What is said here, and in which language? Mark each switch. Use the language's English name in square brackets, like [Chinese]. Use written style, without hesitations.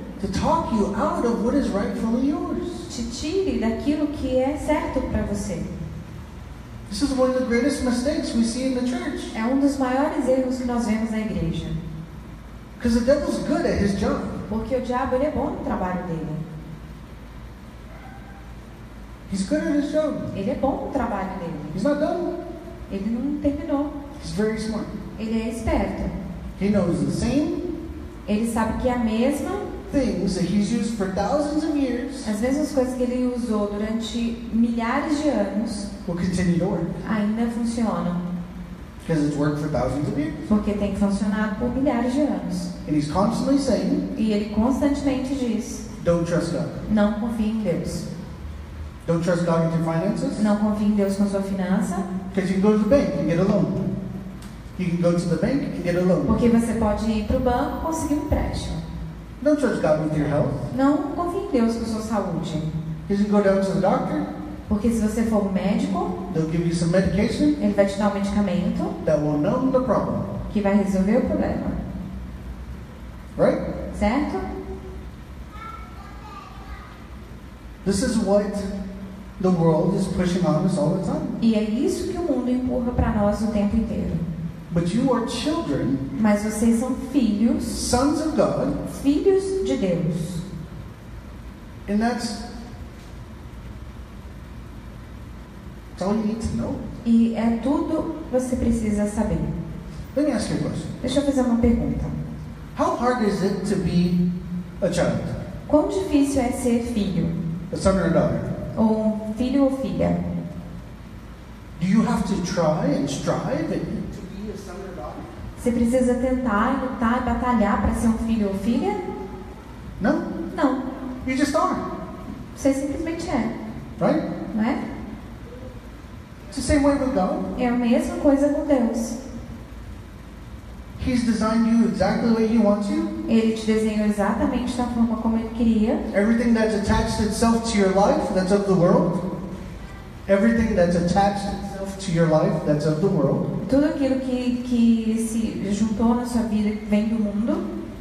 [English] To talk you out of what is rightfully yours. [Portuguese] Te tire daquilo que é certo para você. [English] This is one of the greatest mistakes we see in the church. [Portuguese] É um dos maiores erros que nós vemos na igreja. [English] Because the devil's good at his job. [Portuguese] Porque o diabo, ele é bom no trabalho dele. [English] He's good at his job. [Portuguese] Ele é bom no trabalho dele. [English] He's not done. [Portuguese] Ele não terminou. [English] He's very smart. [Portuguese] Ele é esperto. [English] He knows the same. [Portuguese] Ele sabe que é a mesma. [English] Things that he's used for thousands of years. [Portuguese] As mesmas coisas que ele usou durante milhares de anos. [English] Will continue to work. [Portuguese] Ainda funcionam. [English] Because it's worked for thousands of years. [Portuguese] Porque tem funcionado por milhares de anos. [English] And he's constantly saying. [Portuguese] E ele constantemente diz. [English] Don't trust God. [Portuguese] Não confie em Deus. [English] Don't trust God with your finances. [Portuguese] Não confie em Deus com sua finança. [English] Because you can go to the bank and get a loan. You can go to the bank and get a loan. [Portuguese] Porque você pode ir para o banco e conseguir empréstimo. [English] Don't trust God with your health. [Portuguese] Não confie em Deus com sua saúde. [English] Because you can go down to the doctor. [Portuguese] Porque se você for médico, [English] they'll give you some medication. [Portuguese] Ele vai te dar um medicamento. [English] That will numb the problem. [Portuguese] Que vai resolver o problema. [English] Right? [Portuguese] Certo? [English] This is what the world is pushing on us all the time. [Portuguese] E é isso que o mundo empurra para nós o tempo inteiro. [English] But you are children. [Portuguese] Mas vocês são filhos. [English] Sons of God. [Portuguese] Filhos de Deus. [English] And that's all you need to know. [Portuguese] E é tudo você precisa saber. [English] Let me ask you a question. [Portuguese] Deixa eu fazer uma pergunta. [English] How hard is it to be a child? [Portuguese] Quão difícil é ser filho? [English] A son or a daughter. [Portuguese] Ou filho ou filha. [English] Do you have to try and strive and [Portuguese] você precisa tentar, lutar e batalhar para ser um filho ou filha? Não. Não. [English] You just are. [Portuguese] Você simplesmente é. [English] Right? [Portuguese] Não é? [English] It's the same way with God. [Portuguese] É a mesma coisa com Deus. [English] He's designed you exactly the way he wants you. [Portuguese] Ele te desenhou exatamente da forma como ele queria. [English] Everything that's attached itself to your life, that's of the world. Everything that's attached itself to your life, that's of the world. [Portuguese] Tudo aquilo que se juntou na sua vida vem do mundo.